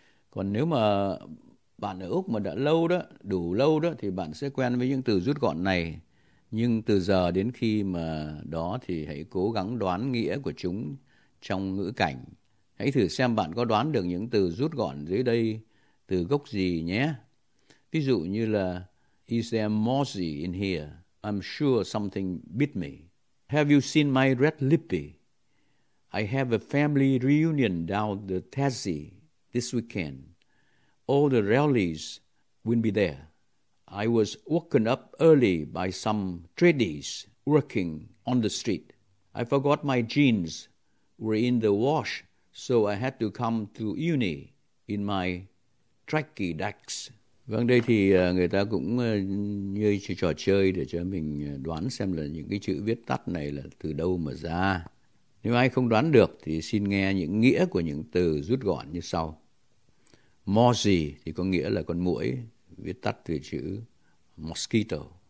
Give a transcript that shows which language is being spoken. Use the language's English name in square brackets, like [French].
[Vietnamese] Còn nếu mà bạn ở Úc mà đã lâu đó, đủ lâu đó, thì bạn sẽ quen với những từ rút gọn này. Nhưng từ giờ đến khi mà đó thì hãy cố gắng đoán nghĩa của chúng trong ngữ cảnh. Hãy thử xem bạn có đoán được những từ rút gọn dưới đây từ gốc gì nhé. Ví dụ như là, [English] is there mozzy in here? I'm sure something bit me. Have you seen my red lippy? I have a family reunion down the Tassie this weekend. All the rallies will be there. I was woken up early by some tradies working on the street. I forgot my jeans were in the wash, so I had to come to uni in my tracky dacks. [Vietnamese] Vâng, đây thì người ta cũng như trò chơi để cho mình đoán xem là những cái chữ viết tắt này là từ đâu mà ra. Nếu ai không đoán được thì xin nghe những nghĩa của những từ rút gọn như sau. Mozzy thì có nghĩa là con muỗi, viết tắt từ chữ mosquito.